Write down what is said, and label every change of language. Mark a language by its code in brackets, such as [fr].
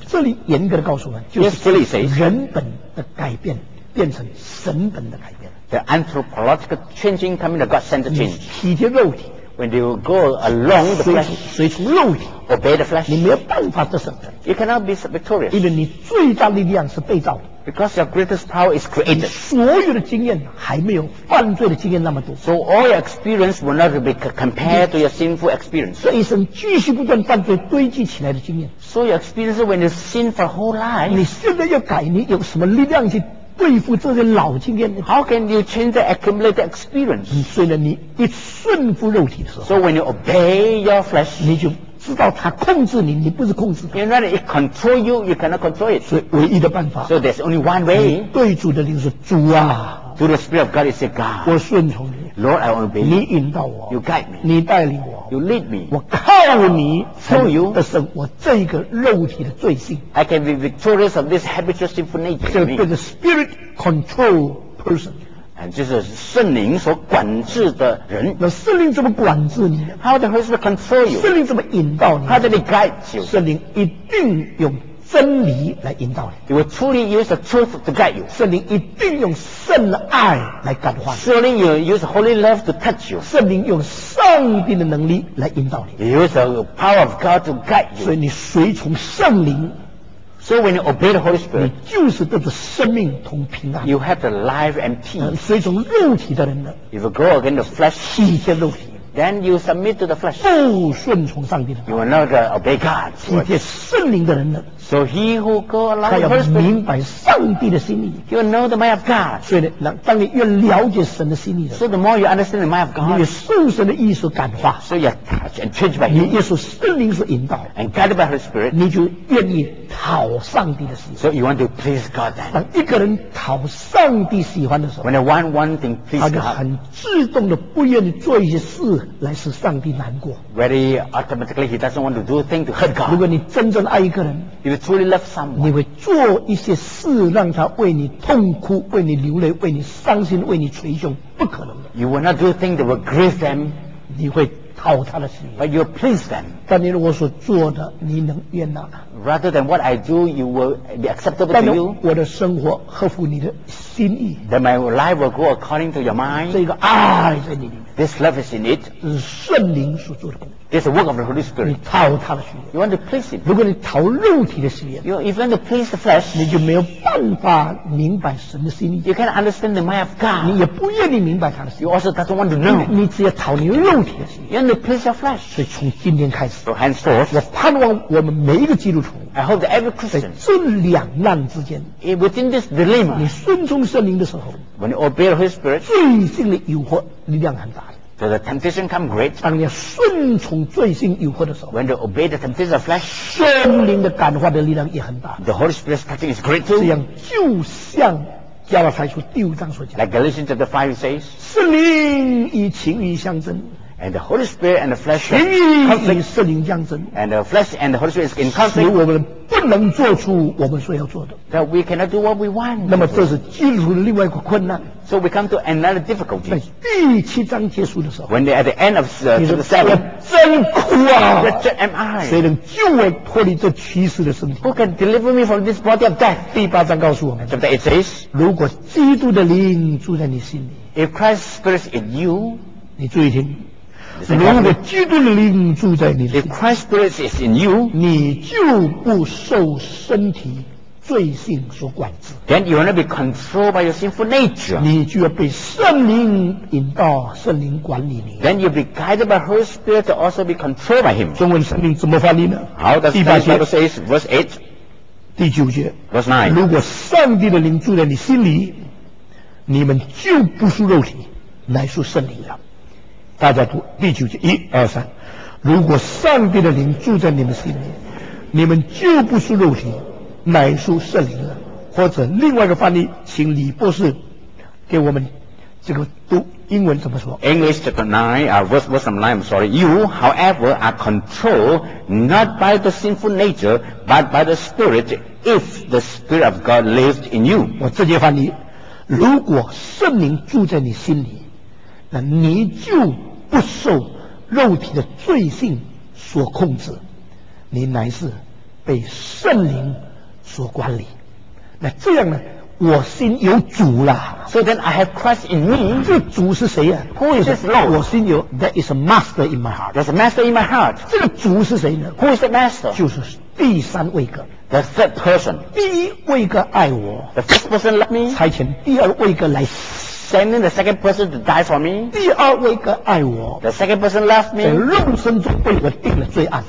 [zh] 这里严格的告诉我们，就是人本的改变变成神本的改变。 [en] The anthropological changing coming to God-centered change. [zh] 你体贴肉体。 [en] When you go along the flesh, [zh] 随从肉体 [en] obey the flesh, [zh] 你没有办法得胜。 [en] You cannot be victorious. [zh] 因为你最大力量是被造的。 [en] Because your greatest power is created. [zh] 所有的经验还没有犯罪的经验那么多。 [en] So all your experience will not be compared to your sinful experience. [zh] 这一生继续不断犯罪堆积起来的经验。 [en] So your experience when you sin for whole life. [zh] 你现在要改，你有什么力量去对付这些老经验？ [en] How can you change the accumulated experience? [zh] 所以呢，你一顺服肉体的时候。 [en] So when you obey your flesh. [zh] 你就知道他控制你，你不是控制他。 [en] You know, it control you, you cannot control it. [zh] 所以唯一的办法。 [en] So there's only one way. [zh] 对主的灵说，主啊。 [en] To the Spirit of God, you say, God. [zh] 我顺从你。 [en] Lord, I obey. [zh] 你引导我。 [en] You guide me. [zh] 你带领我。 [en] You lead me. [zh] 我靠你。 [en] Through you. [zh] 的神，我这一个肉体的罪性。 [en] I can be victorious of this habitual sinful nature. [zh] 就变成 [en] spirit control person. And [zh] 就是圣灵所管制的人。那圣灵怎么管制你？ [en] How the Holy Spirit control you? [zh] 圣灵怎么引导你？ [en] How does he guide you? [zh] 圣灵一定用真理来引导你。 [en] He will truly use the truth to guide you. [zh] 圣灵一定用圣爱来感化你。 [en] Surely you use holy love to touch you. [zh] 圣灵用上帝的能力来引导你。 [en] He use the power of God to guide you. [zh] 所以你随从圣灵。 [en] So when you obey the Holy Spirit, [zh] 你就是得着生命同平安。 [en] You have the life and peace. [zh] 随从肉体的人呢 [en] ？If you go against the flesh, [zh] 弃绝肉体 [en] ，then you submit to the flesh. [zh] 不顺从上帝的。 [en] You will not obey God. [zh] 弃绝圣灵的人呢 [en] ？So he who go along with the Holy Spirit, [zh] 他要明白上帝的心意。 [en] He will know the mind of God. [zh] 所以呢，当你越了解神的心意的 [en] ，so the more you understand the mind of God, [zh] 你受神的意思感化 [en] ，so you are changed by him. [zh] 你越受圣灵所引导 [en] ，and guided by the Holy Spirit, [zh] 你就愿意。讨上帝的喜欢 [en] So you want to please God then. [zh] 当一个人讨上帝喜欢的时候 [en] When one want to please God [zh] 他就很自动的不愿意做一些事来使上帝难过 [en] Very automatically he doesn't want to do things to hurt God [zh] 如果你真正爱一个人 [en] You truly love someone [zh] 你会做一些事让他为你痛哭为你流泪为你伤心为你捶胸不可能的 [en] You will not do things that will grieve them [zh] 你会讨他的喜悦 [en] But you please them [zh] 但你如果所做的你能悦纳 [en] Rather than what I do you will be acceptable to you [zh] 我的生活合乎你的心意 [en] Then my life will go according to your mind [zh] 这个爱在你里面 [en] This love is in it [zh] 这是圣灵所做的工作 [en] This is the work of the Holy Spirit [zh] 你讨他的喜悦 [en] You want to please him [zh] 如果你讨肉体的喜悦 [en] You even to please the flesh [zh] 你就没有办法明白神的心意 [en] You can't understand the mind of God [zh] 你也不愿意明白他的心意 [en] You also doesn't want to know [zh] 你只要讨你肉体的喜悦 [en] To please your flesh. [zh] 所以从今天开始 [en] so henceforth, [zh] 我盼望我们每一个基督徒 [en] I hope that every Christian, [zh] 在这两难之间 [en] within this dilemma, [zh] 你顺从圣灵的时候 [en] when you obey the Holy Spirit, [zh] 罪性的诱惑力量很大 [en] so the temptation come great, [zh] 当你顺从罪性诱惑的时候 [en] when you obey the temptation of flesh, [zh] 圣灵的感化的力量也很大 [en] the Holy Spirit's touching is great too, [zh] 这样就像加拉太书第五章所讲 [en] like Galatians chapter 5 says, [zh] 圣灵与情欲相争 [en] And the Holy Spirit and the flesh are in conflict. And the flesh and the Holy Spirit is in conflict. [zh] 使我们不能做出我们所要做的。 [en] That we cannot do what we want. [zh] 那么这是基督徒的另外一个困难。 [en] So we come to another difficulty. [zh] 在第七章结束的时候。 [en] When they at the end of the seven. [zh] 真苦啊。 [en] Wretched am I. [zh] 谁能救我脱离这屈死的身体。 [en] Who can deliver me from this body of death? [zh] 第八章告诉我们。 [en] Chapter 8 says. [zh] 如果基督的灵住在你心里。 [en] If Christ's Spirit is in you. [zh] 你注意听。如果基督的灵住在你里 [en] If Christ's Spirit is in you [zh] 你就不受身体罪性所管制 [en] Then you will not be controlled by your sinful nature [zh] 你就要被圣灵引导圣灵管理你 [en] Then you'll be guided by Holy Spirit to also be controlled by him [zh] 中文圣灵怎么翻译呢 [en] How does the Bible say verse 8 [zh] 第九节 [en] Verse 9 [zh] 如果上帝的灵住在你心里你们就不属肉体乃属圣灵了大家读第九节一二三如果上帝的灵住在你们心里你们就不是肉体乃是圣灵了或者另外一个翻译请李博士给我们这个读英文怎么说 [en] English chapter 9 verse 9 You however are controlled not by the sinful nature but by the spirit if the spirit of God lives in you [zh] 我直接翻译如果圣灵住在你心里那你就不受肉体的罪性所控制你乃是被圣灵所管理那这样呢我心有主了 [en] So then I have Christ in me [zh] 这主是谁啊 [en] Who is this Lord [zh] 我心有 [en] There is a master in my heart There's a master in my heart [zh] 这个主是谁呢 [en] Who is the master [zh] 就是第三位格 [en] The third person [zh] 第一位格爱我 [en] The first person love me [zh] 差遣第二位格来 [en] Sending the second person to die for me. [zh] 第二位哥爱我。 [en] The second person loved me. [zh] 在肉身中为我定了罪案。